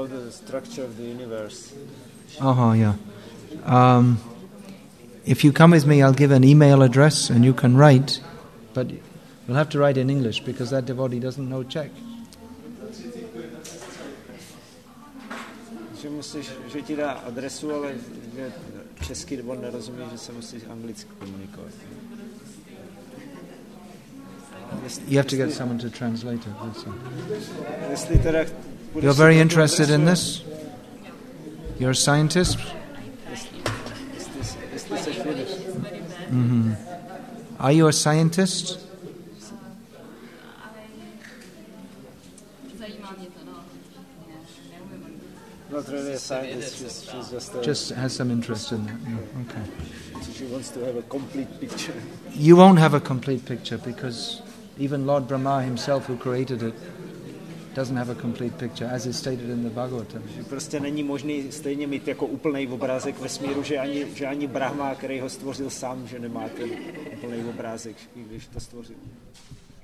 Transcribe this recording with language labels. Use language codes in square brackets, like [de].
[en] structure of the universe. Uh-huh, yeah. If you come with me, I'll give an email address and you can write, but you'll have to write in English because that devotee doesn't know Czech. [cs] Že musíš, že ti dá adresu, ale že český on nerozumí, že se musíš anglicky komunikovat. [en] You have to get someone to translate it. That's it. [cs] Jestli teda [en] you're very interested in this? You're a scientist? Mm-hmm. Are you a scientist? Not really a scientist, she's just has some interest in that. Yeah. Okay. She wants to have a complete picture. You won't have a complete picture because even Lord Brahma himself who created it doesn't have a complete picture, as is stated in the Bhagavatam. [cs] Prostě není možné stejně mít jako úplný obrázek vesmíru, že ani Brahma, který ho stvořil sám, že nemá ten úplný obrázek, když to stvořil.